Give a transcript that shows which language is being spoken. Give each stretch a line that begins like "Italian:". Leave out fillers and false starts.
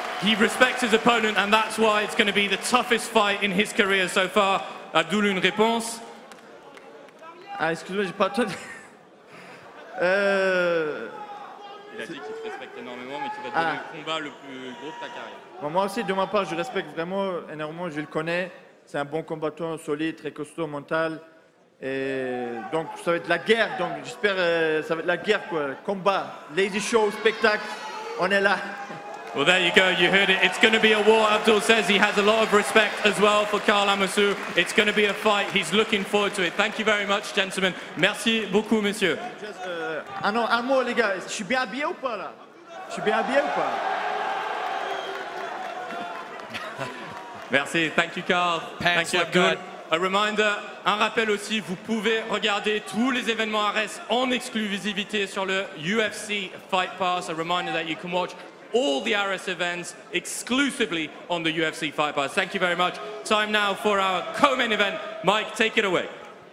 English: He respects his opponent, and that's why it's going to be the toughest fight in his career so far.
French: Abdoul, une réponse? Ah, excuse-moi, j'ai pas entendu. Il a dit qu'il te respecte énormément, mais qu'il va te donner le combat le plus gros de ta carrière. Bon, moi aussi, de ma part, je respecte vraiment énormément, je le connais. C'est un bon combattant, solide, très costaud, mental. Et donc, ça va être la guerre, donc j'espère ça va être la guerre, quoi. Combat, lazy show, spectacle, on est là.
English: Well, there you go, you heard it. It's going to be a war. Abdoul says he has a lot of respect as well for Karl Amoussou. It's going to be a fight. He's looking forward to it. Thank you very much, gentlemen.
French: Merci beaucoup, monsieur. Ah non, un mot, les gars. Je suis bien habillé ou pas, là? Je suis bien habillé ou pas? Merci.
English: Thank you, Karl. Thank you, Abdoul. A reminder,
French: un rappel aussi, vous pouvez regarder tous les événements Ares en exclusivité sur le UFC Fight Pass.
English: A reminder that you can watch all the Ares events exclusively on the UFC Fight Pass. Thank you very much. Time now for our co-main event. Mike, take it away.